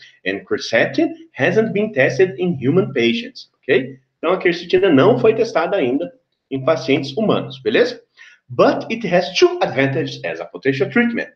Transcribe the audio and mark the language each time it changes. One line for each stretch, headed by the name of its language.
English: And quercetin hasn't been tested in human patients, ok?
Portuguese: Então, a quercetina não foi testada ainda em pacientes humanos, beleza?
English: But it has two advantages as a potential treatment.